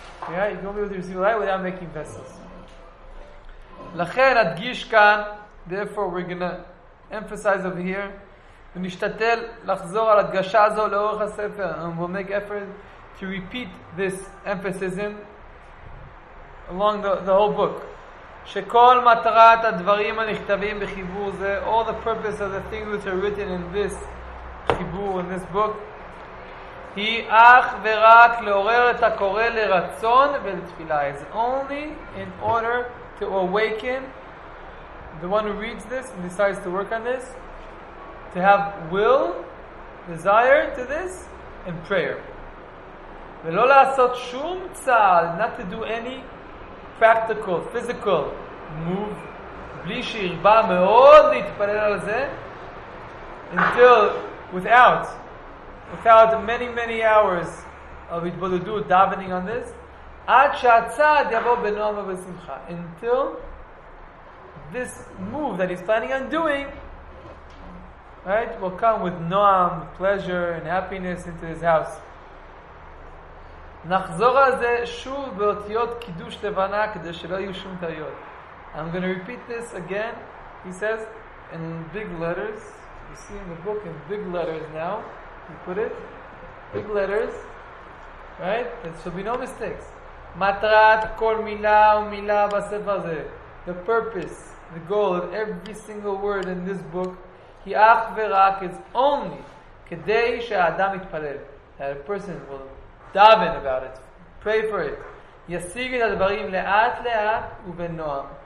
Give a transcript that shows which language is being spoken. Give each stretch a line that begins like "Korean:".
English: Yeah, you won't be able to receive the light without making vessels.
Hebrew: לכן, הדגיש כאן,
English: therefore we're going to emphasize over here,
Hebrew: ונשתתל לחזור על הדגשה הזו לאורך הספר,
English: and we'll make effort to repeat this emphasis along the whole book.
Hebrew: שכל מטרת הדברים הנכתבים בחיבור זה,
English: all the purpose of the things which are written in this חיבור, in this book,
Hebrew: היא אך ורק לעורר את הקורא לרצון ולתפילה.
English: It's only in order to awaken the one who reads this and decides to work on this, to have will, desire to this, and prayer.
Hebrew: ולא לעשות שום צעד,
English: not to do any practical, physical move,
Hebrew: בלי שירבה מאוד להתפלל על זה,
English: until, without many, many hours of התבודדות, davening on this,
Hebrew: עד שהצעד יבוא בנועם ובשמחה,
English: until this move that he's planning on doing, right, will come with noam, pleasure and happiness into his house.
Hebrew: נחזור על זה שוב באותיות קידוש לבנה כדי שלא יהיו שום טעויות.
English: I'm going to repeat this again. He says in big letters, you see in the book in big letters now, you put it, big letters, right? There should be no mistakes.
Hebrew: מטרת כל מילה ומילה בספר הזה,
English: the purpose, the goal of every single word in this book,
Hebrew: כי אך ורק,
English: it's only
Hebrew: כדי שהאדם יתפלל,
English: that a person will daven about it, pray for it,
Hebrew: ישיג את הדברים לאט לאט ובנועם.